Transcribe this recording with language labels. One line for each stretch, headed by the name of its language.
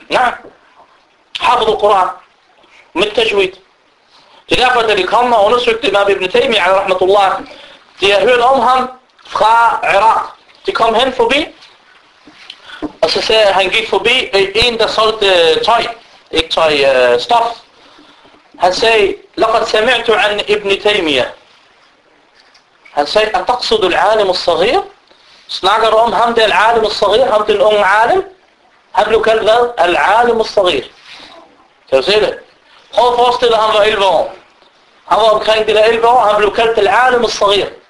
Danish: Nej. Hafid al-Quran. Mit tajwid. Det er derfor, da de kom og undersøgte Imam ibn Taymiyyah, rahmatullah. De har hørt om ham fra Irak. De kom hen forbi. Og så sagde han, gik forbi en, der solgte tøj, ikke tøj, stof.
Arabic: Han sagde, لقد سمعت عن ابن تيمية.
Danish: Han sagde, at
Arabic: تقصد العالم الصغير?
Danish: Snakker du om ham, det er
Arabic: العالم الصغير,
Danish: ham, det er en ung عالم? Han blev kaldt hvad? العالم الصغير. Kan du se det? Prøv at forestille dig, han var 11 år. Han var omkring de der 11 år, han blev kaldt til Alim al-Sagir.